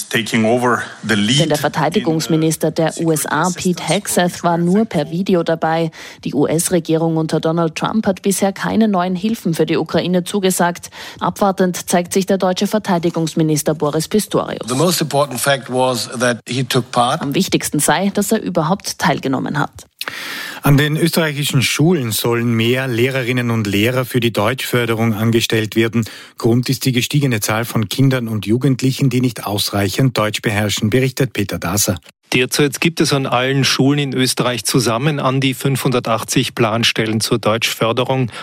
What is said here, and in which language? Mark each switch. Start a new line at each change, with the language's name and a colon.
German: Denn der Verteidigungsminister der USA, Pete Hegseth, war nur per Video dabei. Die US-Regierung unter Donald Trump hat bisher keine neuen Hilfen für die Ukraine zugesagt. Abwartend zeigt sich der deutsche Verteidigungsminister Boris Pistorius.
English: The most important fact was that he took part.
German: Am wichtigsten sei, dass er überhaupt teilgenommen hat. An den österreichischen Schulen sollen mehr Lehrerinnen und Lehrer für die Deutschförderung angestellt werden. Grund ist die gestiegene Zahl von Kindern und Jugendlichen, die nicht ausreichend Deutsch beherrschen, berichtet Peter Daser. Derzeit gibt es an allen Schulen in Österreich zusammen an die 580 Planstellen zur Deutschförderung.